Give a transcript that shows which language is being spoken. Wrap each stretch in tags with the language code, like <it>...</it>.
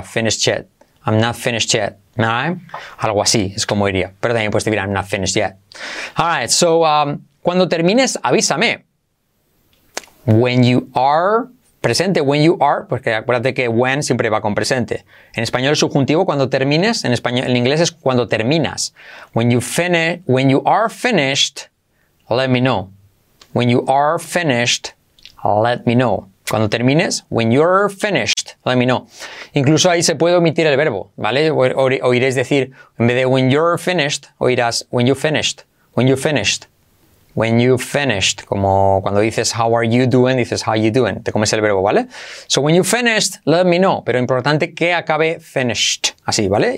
<en>Finished yet. I'm not finished yet. Right?</en> <es>Algo así es como iría. Pero también puedes decir</es> <en>I'm not finished yet.</en> <es>Alright, so cuando termines, avísame.</es> <en>When you are presente, when you are,</en> <es>porque acuérdate que</es> <en>when</en> <es>siempre va con presente. En español es subjuntivo cuando termines, en español, en inglés es cuando terminas.</es> <en>When you finish, when you are finished, let me know. When you are finished, let me know.</en> <es>Cuando termines,</es> <en>when you're finished, let me know.</en> <es>Incluso ahí se puede omitir el verbo, ¿vale? Oiréis decir, en vez de</es> <en>when you're finished,</en> <es>oirás</es> <en>when you finished, when you finished. When you finished,</en> <es>como cuando dices</es> <en>how are you doing,</en> <es>dices</es> <en>how you doing,</en> <es>te comes el verbo, ¿vale?</es> <en>So when you finished, let me know,</en> <es>pero importante que acabe finished, así, ¿vale?</es>